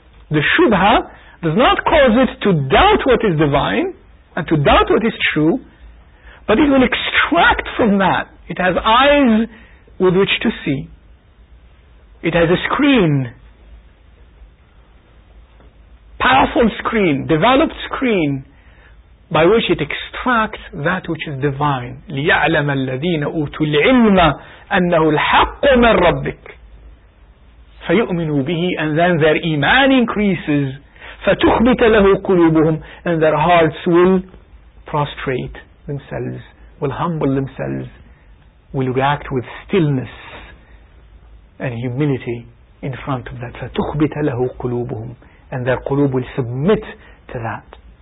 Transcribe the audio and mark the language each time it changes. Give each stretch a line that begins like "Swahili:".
English: The shubha does not cause it to doubt what is divine and to doubt what is true, but it will extract from that. It has eyes with which to see, it has a screen, powerful screen, developed screen, by which it extracts that which is divine.
Arabic: لِيَعْلَمَ الَّذِينَ أُوتُوا الْعِلْمَ أَنَّهُ الْحَقُّ مِنْ رَبِّكَ فَيُؤْمِنُوا بِهِ,
English: and then their iman increases.
Arabic: فَتُخْبِتَ لَهُ قُلُوبُهُمْ,
English: and their hearts will prostrate themselves, will humble themselves, will react with stillness and humility in front of that.
Arabic: فَتُخْبِتَ لَهُ قُلُوبُهُمْ,
English: and their qulub will submit to that.